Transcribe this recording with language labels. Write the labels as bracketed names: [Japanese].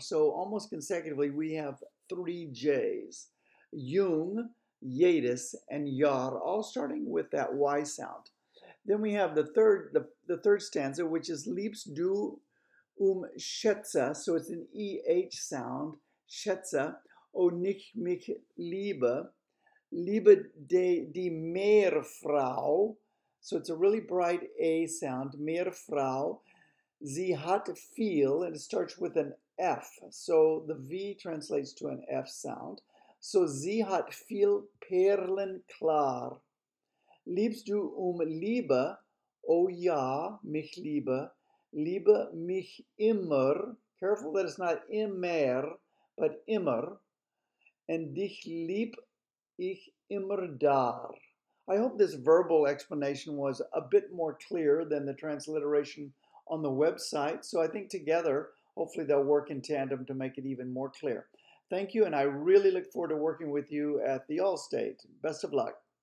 [English] So almost consecutively, we have three J's. Jung, jedes, and Jahr, all starting with that Y sound. Then we have the third stanza, which is Liebst du Schätze. So it's an EH sound, Schätze. [German] O nicht mich liebe, liebe die Meerfrau. [English] So it's a really bright A sound, Meerfrau. [German] Sie hat viel, [English] and it starts with an F. So the V translates to an F sound. [German] So sie hat viel Perlen klar. Liebst du liebe, o ja, mich liebe, liebe mich immer. [English] Careful that it's not immer, but immer. [German] And dich lieb ich immer dar. [English] I hope this verbal explanation was a bit more clear than the transliteration on the website. So I think together, hopefully they'll work in tandem to make it even more clear. Thank you, and I really look forward to working with you at the Allstate. Best of luck.